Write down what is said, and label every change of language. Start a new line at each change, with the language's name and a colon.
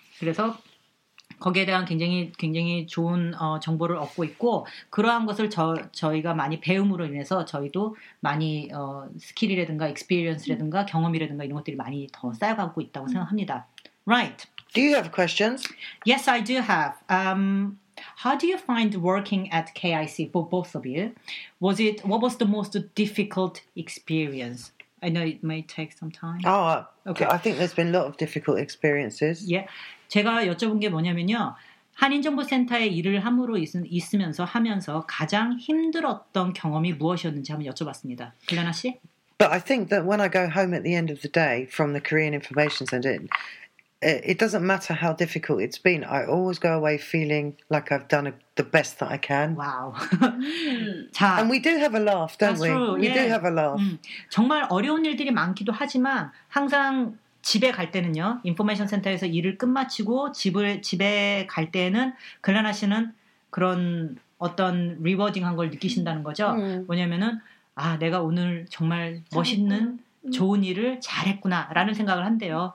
Korean: 그래서 거기에 대한 굉장히 좋은 정보를 얻고 있고 그러한 것을 저희가 많이 배움으로 인해서 저희도 많이 스킬이라든가 익스피리언스라든가 경험이라든가 이런 것들이 많이 더 쌓여가고 있다고 생각합니다.
English: Right. Do you have questions? Yes, I do have. How do you find working at KIC for both of you? What was the most difficult experience? I know it may take some time. Oh, okay. I think there's been a lot of difficult experiences. Yeah.
Korean: 제가 여쭤본 게 뭐냐면요. 한인정보센터에 일을 함으로 하면서 가장 힘들었던 경험이 무엇이었는지 한번 여쭤봤습니다. 글레나 씨?
English: But I think that when I go home at the end of the day from the Korean Information Center, it doesn't matter how difficult it's been. I always go away feeling like I've done the best that I can. Wow. And we do have a laugh, don't we? We do have a laugh.
Korean: 정말 어려운 일들이 많기도 하지만 항상 집에 갈 때는요. 인포메이션 센터에서 일을 끝마치고 집에 갈 때는 글레나 씨는 그런 어떤 리워딩한 걸 느끼신다는 거죠. 뭐냐면은 아, 내가 오늘 정말 멋있는 좋은 일을 잘했구나 라는 생각을 한대요.